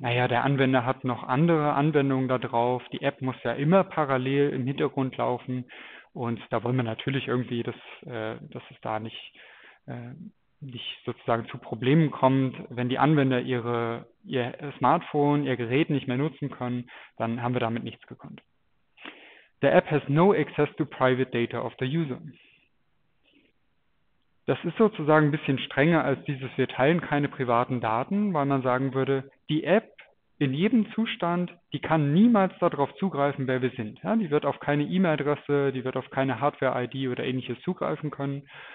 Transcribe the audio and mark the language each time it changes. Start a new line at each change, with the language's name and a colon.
German: Naja, der Anwender hat noch andere Anwendungen da drauf. Die App muss ja immer parallel im Hintergrund laufen. Und da wollen wir natürlich irgendwie, dass es da nicht sozusagen zu Problemen kommt. Wenn die Anwender ihr Smartphone, ihr Gerät nicht mehr nutzen können, dann haben wir damit nichts gekonnt.
English: The app has no access to private data of the user.
German: Das ist sozusagen ein bisschen strenger als dieses, wir teilen keine privaten Daten, weil man sagen würde, die App in jedem Zustand, die kann niemals darauf zugreifen, wer wir sind. Ja, die wird auf keine E-Mail-Adresse, die wird auf keine Hardware-ID oder ähnliches zugreifen können.